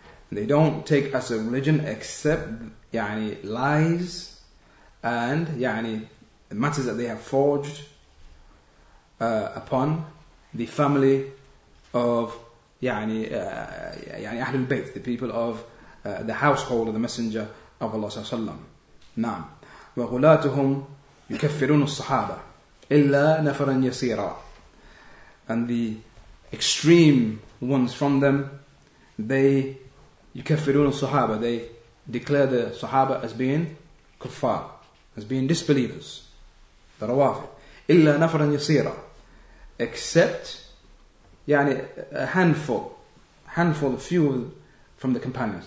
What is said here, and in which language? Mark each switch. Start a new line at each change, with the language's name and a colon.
English: They don't take as a religion except يعني, lies and يعني, the matters that they have forged upon the family of يعني أهل البيت, the people of the household of the Messenger of Allah
Arabic: صلى الله عليه وسلم. نعم. وغلاتهم يكفرون الصحابة إلا نفرا يسيرا.
English: And the extreme ones from them, they
Arabic: يكفرون الصحابة,
English: they declare the صحابة as being كفار, as being disbelievers, the روافض.
Arabic: إلا نفرا يسيرا,
English: except يعني a handful, a few from the companions.